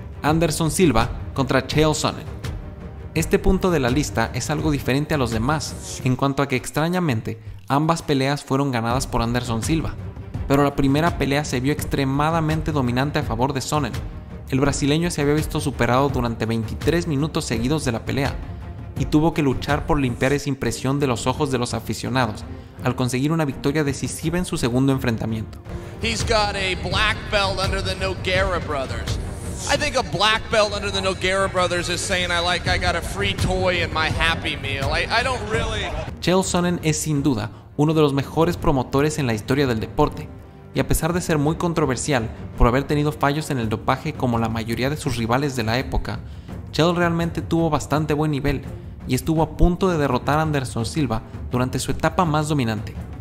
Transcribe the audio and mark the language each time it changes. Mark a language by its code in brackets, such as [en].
[es] Anderson Silva contra Chael Sonnen. Este punto de la lista es algo diferente a los demás en cuanto a que, extrañamente, ambas peleas fueron ganadas por Anderson Silva, pero la primera pelea se vio extremadamente dominante a favor de Sonnen. El brasileño se había visto superado durante 23 minutos seguidos de la pelea y tuvo que luchar por limpiar esa impresión de los ojos de los aficionados al conseguir una victoria decisiva en su segundo enfrentamiento. [en] He's got a black belt under the Nogueira brothers. I think a black belt under the Nogueira brothers is saying I got a free toy in my Happy Meal. I don't really. [es] Chael Sonnen es sin duda uno de los mejores promotores en la historia del deporte, y a pesar de ser muy controversial por haber tenido fallos en el dopaje como la mayoría de sus rivales de la época, Chael realmente tuvo bastante buen nivel y estuvo a punto de derrotar a Anderson Silva durante su etapa más dominante.